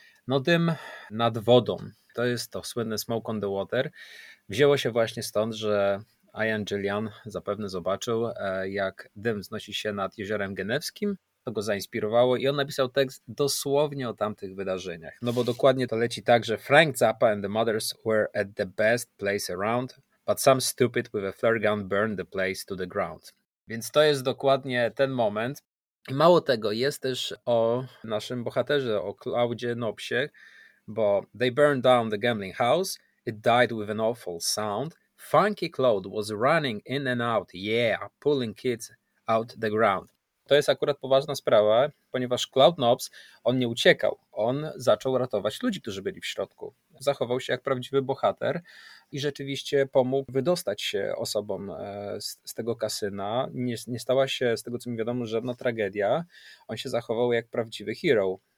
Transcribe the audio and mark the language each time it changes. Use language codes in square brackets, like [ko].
[pl] No dym nad wodą, to jest to słynne [en] smoke on the water. [pl] Wzięło się właśnie stąd, że Ian Gillan zapewne zobaczył, jak dym wznosi się nad Jeziorem Genewskim. To go zainspirowało i on napisał tekst dosłownie o tamtych wydarzeniach. No bo dokładnie to leci tak, że [en] Frank Zappa and the Mothers were at the best place around, but some stupid with a flare gun burned the place to the ground. [pl] Więc to jest dokładnie ten moment. Mało tego, jest też o naszym bohaterze, o Cloudzie Nobsie, bo [en] they burned down the gambling house, it died with an awful sound. Funky Cloud was running in and out, yeah, pulling kids out the ground. [pl] To jest akurat poważna sprawa, ponieważ Cloud Nobs, on nie uciekał. On zaczął ratować ludzi, którzy byli w środku. Zachował się jak prawdziwy bohater i rzeczywiście pomógł wydostać się osobom z tego kasyna. Nie stała się, z tego co mi wiadomo, żadna tragedia. On się zachował jak prawdziwy hero.